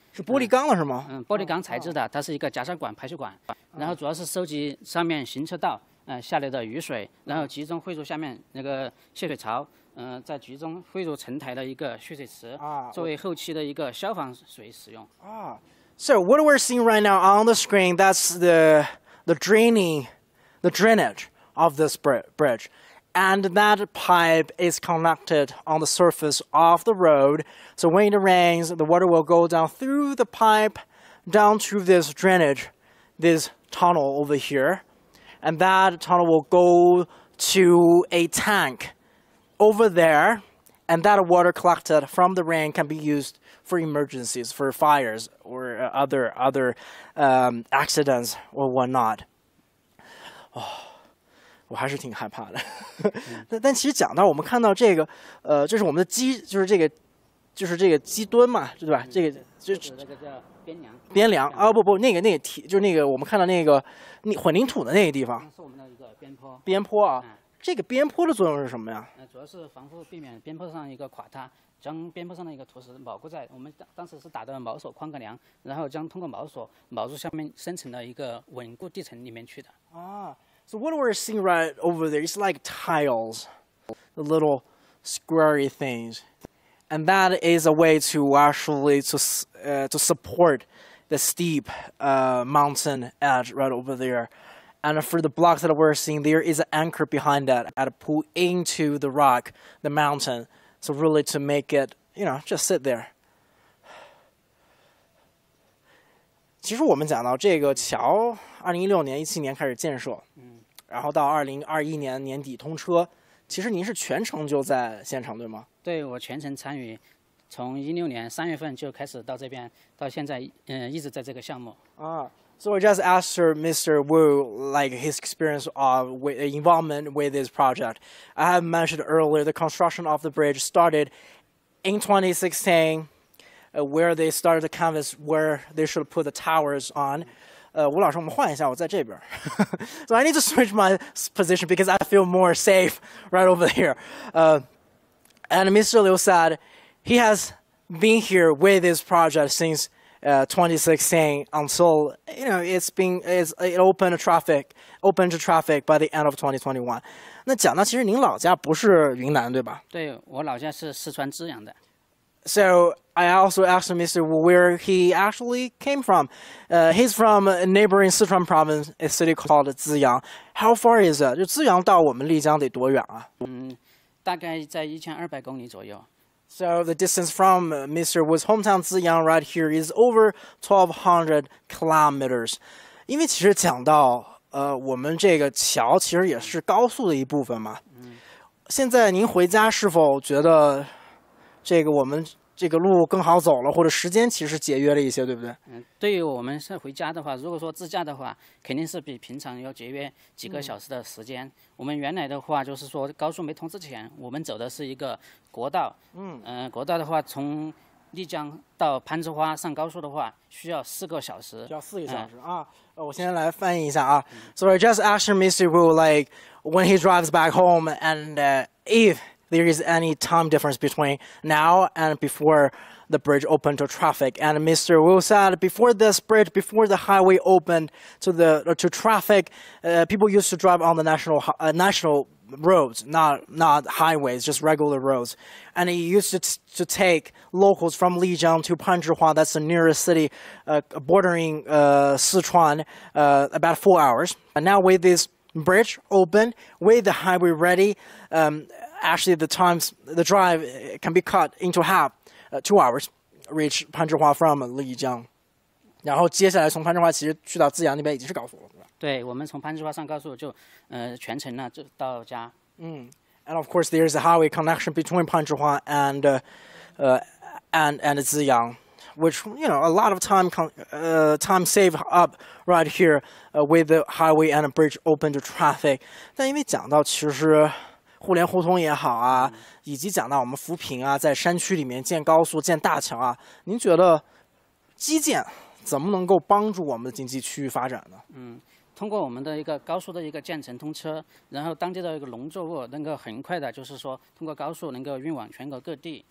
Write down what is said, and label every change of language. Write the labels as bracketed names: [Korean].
[Chinese] 是玻璃钢的是吗？嗯，玻璃钢材质的，它是一个夹沙管排水管，然后主要是收集上面行车道。下来的雨水，然后集中汇入下面那个泄水槽，再集中汇入城台的一个蓄水池，作为后期的一个消防水使用。 [English] So what we're seeing right now on the screen, that's the drainage of this bridge, and that pipe is connected on the surface of the road. So when it rains, the water will go down through the pipe, down to this drainage, this tunnel over here. And that tunnel will go to a tank over there, and that water collected from the rain can be used for emergencies, for fires, or other accidents, or whatnot. [Chinese] Oh, 我还是挺害怕的。但其实讲到我们看到这个，这是我们的基，就是这个，就是这个基墩嘛，对吧？这个就是那个叫。边梁啊，不不，那个体就是那个我们看到那个混凝土的那个地方，是我们的一个边坡。边坡啊，这个边坡的作用是什么呀？主要是防护，避免边坡上一个垮塌，将边坡上的一个土石锚固在。我们当时是打的锚锁框格梁，然后将通过锚锁锚入下面深层的一个稳固地层里面去的。 [English] 啊 ，So what we're seeing right over there is like tiles, the little squarey things. And that is a way to actually to support the steep mountain edge right over there. And for the blocks that we're seeing, there is an anchor behind that to pull into the rock, the mountain. So really to make it, you know, just sit there. [Chinese] 其实我们讲到这个桥，2016年、17年开始建设，然后到2021年年底通车。其实您是全程就在现场，对吗？对，我全程参与，从2016年3月份就开始到这边，到现在，一直在这个项目。 [English] So I just asked Mr. Wu like his experience of involvement with this project. I have mentioned earlier the construction of the bridge started in 2016, where they started the canvas where they should put the towers on. [Chinese] 吴老师，我们换一下，我在这边。 [English] So I need to switch my position because I feel more safe right over here. And Mr. Liu said he has been here with this project since 2016 until, you know, it opened traffic, by the end of 2021. [Chinese] 那讲到其实您老家不是云南对吧？对，我老家是四川资阳的。 [English] So I also asked Mr. Wu where he actually came from. He's from a neighboring Sichuan province, a city called Ziyang. How far is it? [Chinese] 就资阳到我们丽江得多远啊？大概在1200公里左右。 [English] So the distance from Mr. Wu's hometown Ziyang right here is over 1200 kilometers. [Chinese] 因为其实讲到我们这个桥其实也是高速的一部分嘛。现在您回家是否觉得？这个我们这个路更好走了，或者时间其实节约了一些，对不对？对于我们是回家的话，如果说自驾的话，肯定是比平常要节约几个小时的时间。我们原来的话就是说高速没通之前，我们走的是一个国道。国道的话，从丽江到攀枝花上高速的话，需要4个小时。需要4个小时啊！我先来翻译一下啊。 [English] So I just asked Mr. Wu like when he drives back home and if. There is any time difference between now and before the bridge opened to traffic. And Mr. Wu said before this bridge, before the highway opened to to traffic, people used to drive on the national roads, not highways, just regular roads. And it used to take locals from Lijiang to Panzhihua, that's the nearest city bordering Sichuan, about 4 hours. And now with this bridge open with the highway ready. Actually, the times the drive can be cut into half, 2 hours, reach Panzhihua from Lijiang. [Chinese] 然后接下来从攀枝花其实去到自阳那边已经是高速了，对，我们从攀枝花上高速就，全程呢就到家。 [English] 嗯 ，and of course there is a highway connection between 攀枝花 and, and 自阳 ，which you know a lot of time time save up right here, with the highway and a bridge open to traffic. [Chinese] 但因为讲到其实互联互通也好啊，嗯、以及讲到我们扶贫啊，在山区里面建高速、建大桥啊，您觉得基建？怎么能够帮助我们的经济区域发展呢？嗯，通过我们的一个高速的一个建成通车，然后当地的一个农作物能够很快的，就是说通过高速能够运往全国各地。